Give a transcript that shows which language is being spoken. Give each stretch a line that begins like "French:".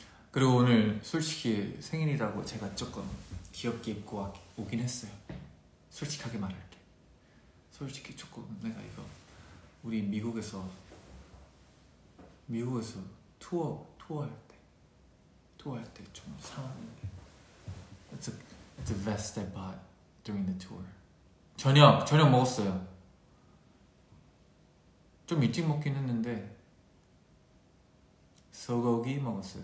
Korean: 그리고 오늘 솔직히 생일이라고 제가 조금 귀엽게 입고 오긴 했어요. 솔직하게 말할게. 솔직히 조금 내가 이거 우리 미국에서 투어할 때 좀 사왔는데.
English: It's a vest that I bought during the tour.
Korean: 저녁 먹었어요. 좀 일찍 먹긴 했는데 소고기 먹었어요.